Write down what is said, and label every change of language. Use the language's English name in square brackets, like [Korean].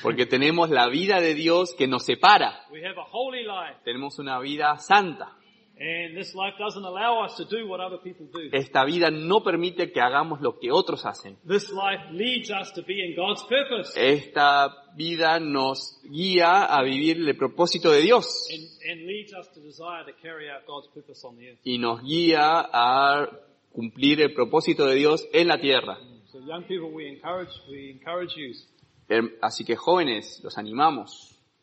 [Spanish] Porque tenemos la vida de Dios que nos separa. [English] We have a holy life. [Spanish] Tenemos una vida santa. [English] And this life doesn't allow us to do what other people do. [Spanish] Esta vida no permite que hagamos lo que otros hacen. [English] This life leads us to be in God's purpose. [Spanish] Esta vida nos guía a vivir el propósito de Dios. [English] And leads us to desire to carry out God's purpose on the earth. [Spanish] Y nos guía a cumplir el propósito de Dios en la tierra. [English] So young people, we encourage you. [Spanish] Así que jóvenes, los animamos.